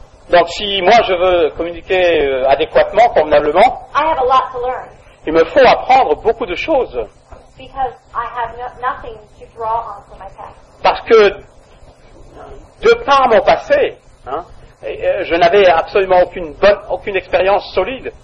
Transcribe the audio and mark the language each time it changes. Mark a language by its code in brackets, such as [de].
[fr] donc si moi je veux communiquer adéquatement, convenablement, [en] I have a lot to learn. [fr] Il me faut apprendre beaucoup de choses. Because I have nothing to draw on for my past. Parce que de par mon passé, hein, je n'avais absolument aucune expérience solide.